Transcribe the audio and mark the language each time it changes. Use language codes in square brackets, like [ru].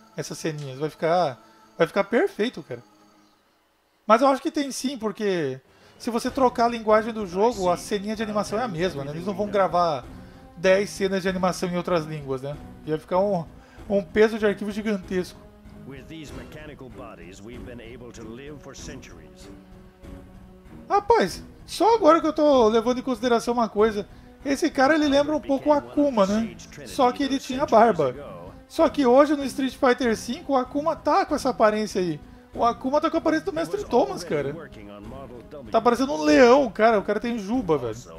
[pt] Essas ceninhas, vai ficar perfeito, cara. Mas eu acho que tem sim, porque se você trocar a linguagem do jogo, a ceninha de animação é a mesma, né? Eles não vão gravar 10 cenas de animação em outras línguas, né? Ia ficar um peso de arquivo gigantesco. [en] With these mechanical bodies, we've been able to live for centuries. [pt] Rapaz, só agora que eu tô levando em consideração uma coisa. Esse cara, ele lembra um pouco o Akuma, né? Só que ele tinha barba. Só que hoje, no Street Fighter V, o Akuma tá com essa aparência aí. O Akuma tá com a aparência do Mestre Thomas, cara. Tá parecendo um leão, cara. O cara tem juba, velho.